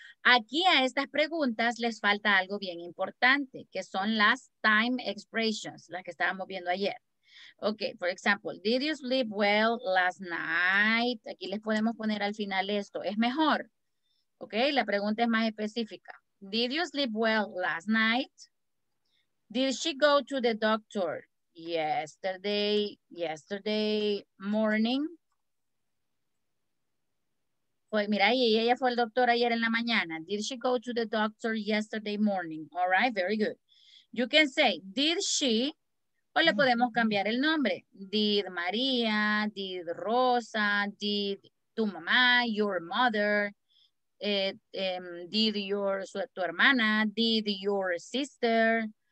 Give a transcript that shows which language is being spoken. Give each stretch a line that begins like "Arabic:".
Spanish: Aquí a estas preguntas les falta algo bien importante, que son las time expressions, las que estábamos viendo ayer.
English: Ok, for example, did you sleep well last night?
Spanish: Aquí les podemos poner al final esto. Es mejor. Ok, la pregunta es más específica.
English: Did you sleep well last night? Did she go to the doctor yesterday morning?
Spanish: Pues mira, ella fue al doctor ayer en la mañana.
English: Did she go to the doctor yesterday morning? All right, very good.
Spanish: You can say, did she... O le podemos cambiar el nombre.
English: Did María, did Rosa, did tu mamá, your mother, did your, tu hermana, did your sister.